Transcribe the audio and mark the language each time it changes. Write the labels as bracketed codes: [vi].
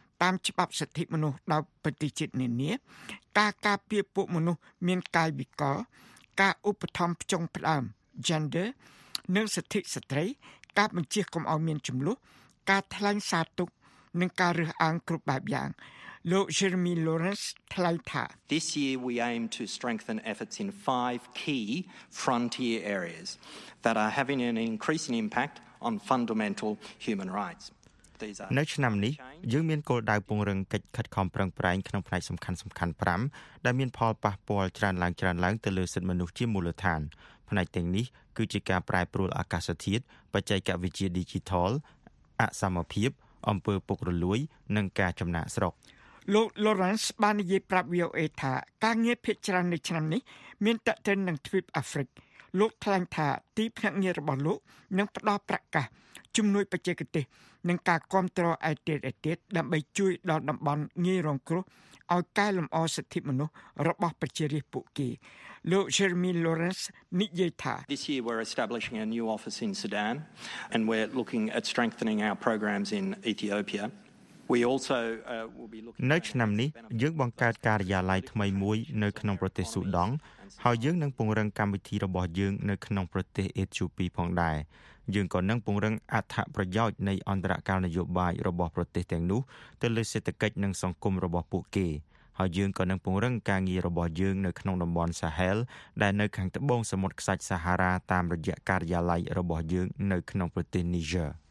[km] តាមច្បាប់សិទ្ធិមនុស្សដល់ប្រតិជាតិនានាការការពារពួកមនុស្សមានកាយវិការការឧបត្ថម្ភផ្ចង់ផ្ដើម gender និងសិទ្ធិស្ត្រីការបញ្ជាកុំឲ្យមានចំនួនការថ្លែងសារទុកនិងការរើសអើងគ្រប់បែបយ៉ាងលោក Jeremy Lawrence ថ្លែងថា [en] This year we aim to strengthen efforts in 5 key frontier areas that are having an increasing impact on fundamental human rights. [km] នៅឆ្នាំនេះយើងមានគោលដៅពង្រឹងកិច្ចខិតខំប្រឹងប្រែងក្នុងផ្នែកសំខាន់ៗ5ដែលមានផលប៉ះពាល់ច្រើនឡើងទៅលើសិទ្ធិមនុស្សជាមូលដ្ឋានផ្នែកទាំងនេះគឺជាការប្រែប្រួលអាកាសធាតុបច្ចេកវិទ្យា Digital អសមភាពអំពើពុករលួយនិងការចំណាក់ស្រុក លោក Lawrence បាននិយាយប្រាប់ VOA ថាការងារភាគច្រើននៅឆ្នាំនេះមានតក្កិននឹងទ្វីបអាហ្វ្រិកលោកថ្លែងថាទីភ្នាក់ងាររបស់លោកនឹងផ្ដល់ប្រកាសជំនួយបច្ចេកទេសនឹងការគាំទ្រឯទៀតឯទៀតដើម្បីជួយដល់តំបន់ងាយរងគ្រោះឲ្យកែលម្អសិទ្ធិមនុស្សរបស់ប្រជារាស្ត្រពួកគេលោក Jeremy Lawrence និយាយថា [en] This year we're establishing a new office in Sudan and we're looking at strengthening our programs in Ethiopia we also will be looking [km] នៅឆ្នាំនេះយើងបង្កើតការិយាល័យថ្មីមួយនៅក្នុងប្រទេសស៊ូដង់ហើយយើងនឹងពង្រឹងកម្មវិធីរបស់យើងនៅក្នុងប្រទេសអេត្យូពីផងដែរយើងក៏នឹងពង្រឹងអត្ថប្រយោជន៍នៃអន្តរការនយោបាយរបស់ប្រទេសទាំងនោះទៅលើសេដ្ឋកិច្ចនិងសង្គមរបស់ពួកគេហើយយើងក៏នឹងពង្រឹងការងាររបស់យើងនៅក្នុងតំបន់សាហែលដែលនៅខាងត្បូងសមុទ្រខ្សាច់សាហារ៉ាតាមរយៈការិយាល័យរបស់យើងនៅក្នុងប្រទេសនីជើ